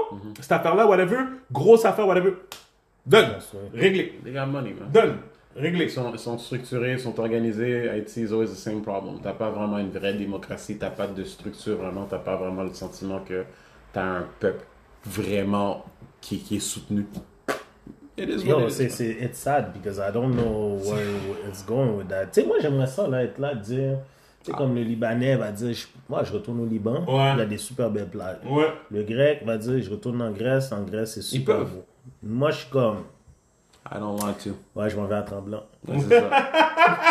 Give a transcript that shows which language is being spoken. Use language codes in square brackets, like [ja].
[fr] Mm-hmm. Cette affaire-là, whatever. Grosse affaire, whatever. [en] Done. Yes, [fr] réglé. [en] They got money, man. [fr] Done. Réglé. Ils sont structurés, ils sont organisés. Haïti [en] is always the same problem. [fr] T'as pas vraiment une vraie démocratie. T'as pas de structure vraiment. T'as pas vraiment le sentiment que t'as un peuple vraiment qui est soutenu. [en] Yo, it's sad because I don't know where it's going with that. [fr] Tu sais, moi, j'aimerais ça, là, être là, dire... Tu sais, comme le Libanais va dire, moi, je retourne au Liban, ouais. Il y a des super belles plages. Ouais. Le Grec va dire, je retourne en Grèce, c'est super beau. Moi, je suis comme... [en] I don't want to. [fr] Ouais, je m'en vais en tremblant. Ouais, c'est ça.